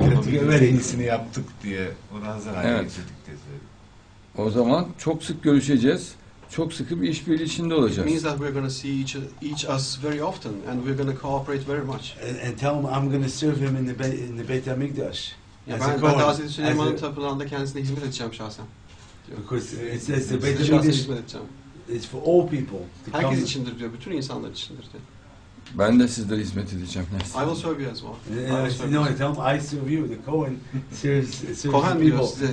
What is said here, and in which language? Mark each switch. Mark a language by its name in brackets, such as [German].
[Turkish] En iyisini yaptık diye. Ona hazır hale getirdik diye söyledim. O zaman çok sık görüşeceğiz. Çok sıkı bir işbirliği içinde olacağız. [English] It means that we're going to see each us very often and we're going to cooperate very much. And tell him I'm going to serve him in the Beit HaMikdash. [Turkish] Ben de Hazreti Süleyman'ın tapınağında kendisine hizmet edeceğim şahsen. [English] Because it says the Beit HaMikdash is for all people. [Turkish] Herkes içindir diyor. Bütün insanlar içindir diyor. Ben de sizlere hizmet edeceğim. Neyse. [English] I will serve you as well. No, tell him I serve you. The Kohen serves the people.